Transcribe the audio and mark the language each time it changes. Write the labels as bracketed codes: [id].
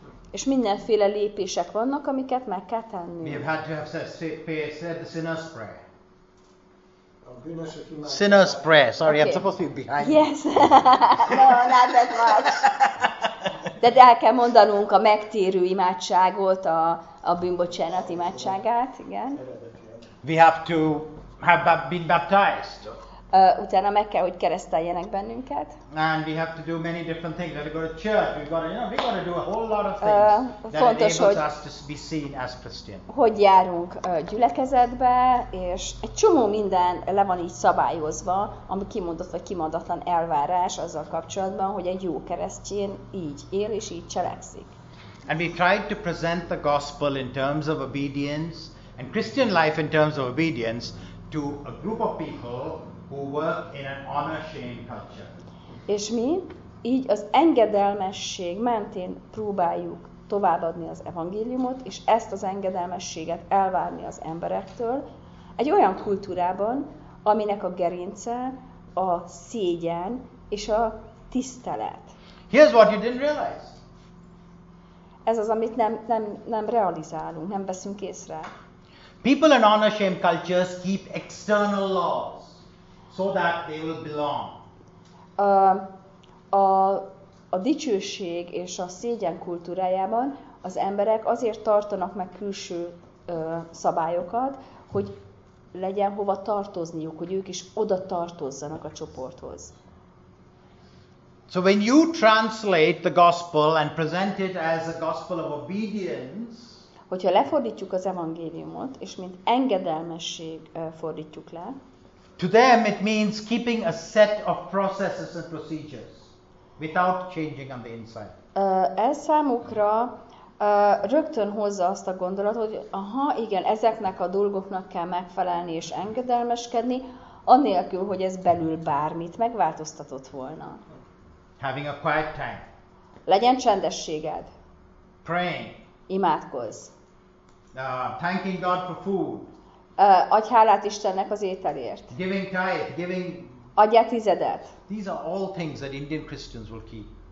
[hu] És mindenféle lépések vannak, amiket meg kell tennünk. [en] We have had to have said the sinner's prayer. Sinner's prayer. Sorry, okay. I'm supposed to be behind. Yes. No, not that much. [hu] De el kell mondanunk a megtérő imádságot, a bűnbocsánat imádságát, igen. [en] We have to have been baptized. [hu] Utána meg kell, hogy kereszteljenek bennünket. [en] And we have to do many different things. We've got to church. We've got to, you know, we've got to do a whole lot of things that enables us to be seen as Christian. [hu] Hogy járunk gyülekezetbe, és egy csomó minden le van így szabályozva, ami kimondott vagy kimondatlan elvárás azzal kapcsolatban, hogy egy jó keresztjén így él és így cselekszik. [en] And we tried to present the gospel in terms of obedience and Christian life in terms of obedience to a group of people who work in an honor-shame culture. [hu] És mi így az engedelmesség mentén próbáljuk továbbadni az evangéliumot, és ezt az engedelmességet elvárni az emberektől egy olyan kultúrában, aminek a gerince a szégyen és a tisztelet. [en] Here's what you didn't realize. [hu] Ez az, amit nem realizálunk, nem veszünk észre. [en] People in honor-shame cultures keep external laws so that they will belong. [hu] A dicsőség és a szégyen kultúrájában az emberek azért tartanak meg külső szabályokat, hogy legyen hova tartozniuk, hogy ők is oda tartozzanak a csoporthoz. [en] So when you translate the gospel and present it as a gospel of obedience, [hu] hogyha lefordítjuk az evangéliumot, és mint engedelmesség fordítjuk le, [en] to them it means keeping a set of processes and procedures without changing on the inside. [hu] Ez számukra rögtön hozza azt a gondolatot, hogy aha, igen, ezeknek a dolgoknak kell megfelelni és engedelmeskedni, anélkül, hogy ez belül bármit megváltoztatott volna. [en] Having a quiet time. [hu] Legyen csendességed. [en] Praying. [hu] Imádkozz. [en] Thanking God for food. [hu] Adj hálát Istennek az ételért. [en] Giving tithe, giving. [hu] Adjál tizedet. [en] These are all things that Indian Christians will keep.